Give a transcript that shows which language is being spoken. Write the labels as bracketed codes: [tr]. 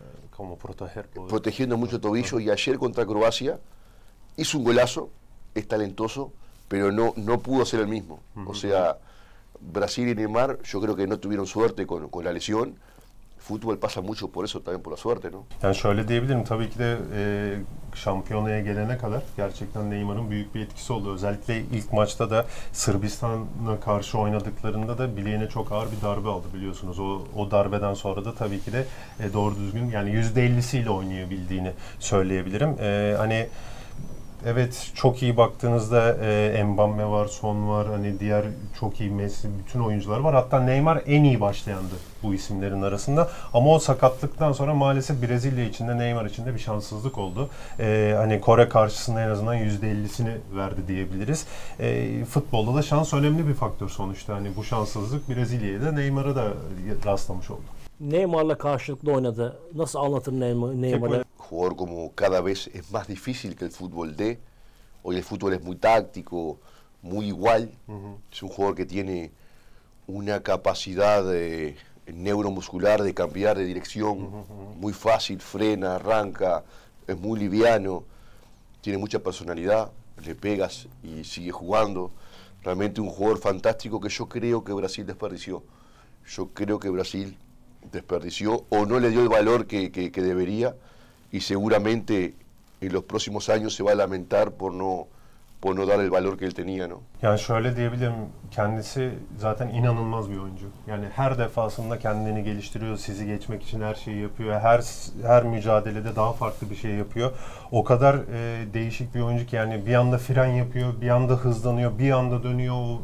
[es] Como proteger, protegiendo mucho el tobillo, y ayer contra Croacia hizo un golazo, es talentoso, pero no pudo ser el mismo. Uh-huh. O sea, Brasil y Neymar, yo creo que no tuvieron suerte con la lesión. Fútbol pasa mucho por eso, también por la suerte, ¿no? [tr] Yani şöyle diyebilirim, tabii ki de şampiyonaya gelene kadar gerçekten Neymar'ın büyük bir etkisi oldu. Özellikle ilk maçta da Sırbistan'a karşı oynadıklarında da bileğine çok ağır bir darbe aldı biliyorsunuz. O darbeden sonra da tabii ki de doğru düzgün, yani %50'siyle oynayabildiğini söyleyebilirim. Hani evet, çok iyi baktığınızda Mbappe var, Son var, hani diğer çok iyi Messi, bütün oyuncular var. Hatta Neymar en iyi başlayandı bu isimlerin arasında. Ama o sakatlıktan sonra maalesef Brezilya için de Neymar için de bir şanssızlık oldu. Hani Kore karşısında en azından %50'sini verdi diyebiliriz. Futbolda da şans önemli bir faktör sonuçta. Hani bu şanssızlık Brezilya'ya da Neymar'a da rastlamış oldu. Neymar'la karşılıklı oynadı. Nasıl anlatır Neymar'ı? [es] Jugar como cada vez es más difícil que el fútbol de hoy. El fútbol es muy táctico, muy igual. Uh-huh. Es un jugador que tiene una capacidad de neuromuscular de cambiar de dirección. Uh-huh. Muy fácil, frena, arranca, es muy liviano, tiene mucha personalidad, le pegas y sigue jugando. Realmente un jugador fantástico que yo creo que Brasil desperdició. Yo creo que Brasil desperdició o no le dio el valor que debería. Y seguramente en los próximos años se va a lamentar por no dar el valor que él tenía, ¿no? [tr] Yani şöyle diyebilirim, kendisi zaten inanılmaz bir oyuncu. Yani her defasında kendini geliştiriyor, sizi geçmek için her şeyi yapıyor. Her mücadelede daha farklı bir şey yapıyor. O kadar değişik bir oyuncu ki, yani bir anda fren yapıyor, bir anda hızlanıyor, bir anda dönüyor.